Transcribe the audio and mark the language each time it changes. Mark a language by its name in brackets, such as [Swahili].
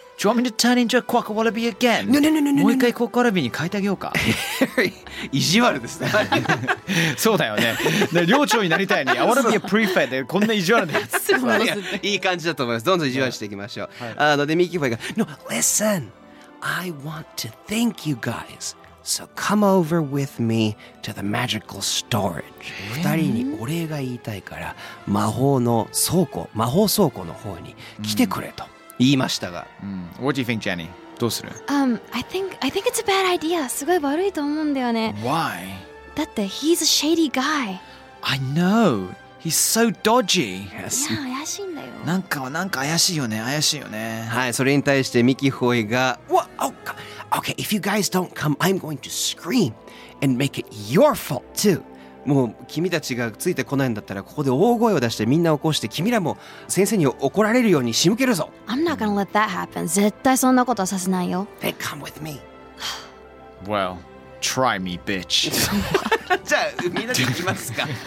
[English] Do you want me to turn into a quack wallaby again? No, no, no, no, no. [Japanese] もう一回コッカワラビーに変えてあげようか。意地悪ですね。そうだよね。で、寮長になりたいね。 [English] I want to be a prefect [Japanese] でこんな意地悪なやつ。いい感じだと思います。どんどん意地悪していきましょう。 [English] Yeah. [Japanese] で、ミキファイが、 [English] No, listen. I want to thank you guys. So come over with me to the magical storage. [Japanese] 二人にお礼が言いたいから、魔法の倉庫、魔法倉庫の方に来てくれと。言いましたが、 [English] うん、What do you think, Jenny? [Japanese] どうする [English] I think it's a bad idea. [Japanese] すごい悪いと思うんだよね。 [English] Why? [Japanese] だって [English] he's a shady guy. I know. He's so dodgy. [Japanese] Yes. いや怪しいんだよ。なんか怪しいよね。怪しいよね。はい、それに対してミキホイが、 [English] What? Oh, okay. If you guys don't come, I'm going to scream and make it your fault too. [Japanese] もう君たちがついてこないんだったらここで大声を出してみんな起こして君らも先生に怒られるように仕向けるぞ。 [English] I'm not gonna let that happen. [Japanese] 絶対そんなことはさせないよ。 [English] Then come with me. Well, try me, bitch. [Japanese] じゃあみんなで行きますか。